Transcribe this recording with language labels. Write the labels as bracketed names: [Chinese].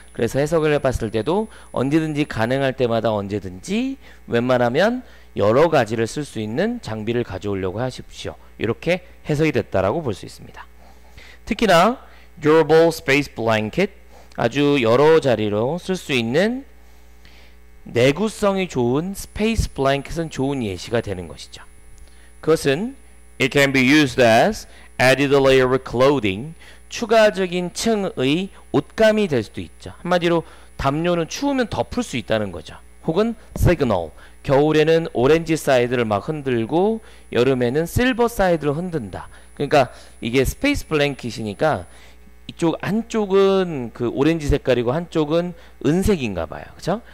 [Korean] 그래서 해석을 해봤을 때도 언제든지 가능할 때마다 언제든지 웬만하면 여러 가지를 쓸 수 있는 장비를 가져오려고 하십시오. 이렇게 해석이 됐다라고 볼 수 있습니다. 특히나 [English] durable space blanket [Korean] 아주 여러 자리로 쓸 수 있는 내구성이 좋은 space blanket은 좋은 예시가 되는 것이죠. 그것은 [English] it can be used as added layer of clothing [Korean] 추가적인 층의 옷감이 될 수도 있죠. 한마디로 담요는 추우면 덮을 수 있다는 거죠. 혹은 signal 겨울에는 오렌지 사이드를 막 흔들고 여름에는 실버 사이드를 흔든다. 그러니까 이게 스페이스 블랭킷이니까 이쪽 안쪽은 그 오렌지 색깔이고 한쪽은 은색인가 봐요. 그렇죠?